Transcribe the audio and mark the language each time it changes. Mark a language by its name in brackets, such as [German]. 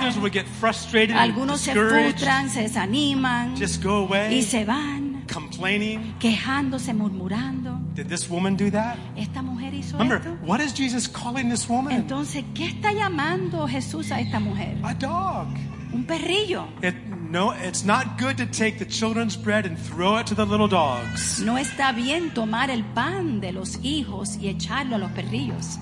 [English] Others would get frustrated. [Spanish] Algunos se frustran, se desaniman. [English] Just go away. [Spanish] Y se van. [English] Complaining, [Spanish] quejándose, murmurando. [English] Did this woman do that? [Spanish] Esta mujer hizo [English] Remember, [Spanish] esto? [English] What is Jesus calling this woman? [Spanish] Entonces, ¿qué está llamando Jesús a esta mujer? [English] A dog. [Spanish] Un perrillo. [English] No, it's not good to take the children's bread and throw it to the little dogs. [Spanish] No está bien tomar el pan de los hijos y echarlo a los perrillos.